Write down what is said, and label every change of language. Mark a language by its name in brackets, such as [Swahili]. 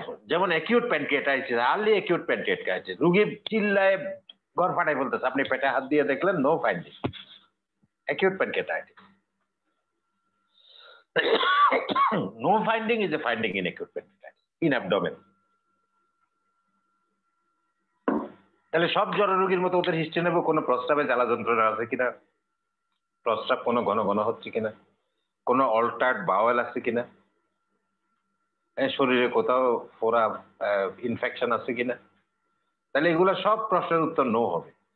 [Bangla] যেমন acute pancreatitis, early acute pancreatitis, রোগী চিল্লায় ঘর ফাটাই বলতেছে, আপনি পেটে হাত দিয়ে দেখলেন no finding, acute pancreatitis. [English] No finding is a finding in acute pancreatitis, in abdomen. [Bangla] তাহলে সব জ্বর রোগীর মতো ওদের হিস্ট্রি নেব, কোন প্রস্রাবে জ্বালা যন্ত্রণা আছে কিনা, প্রস্রাব কোনো ঘন ঘন হচ্ছে কিনা, কোন অল্টার্ড বাওয়েল আছে কিনা, শরীরে কোথাও ফোড়া ইনফেকশন আছে কিনা, তাহলে এগুলো সব প্রশ্নের উত্তর নো হবে।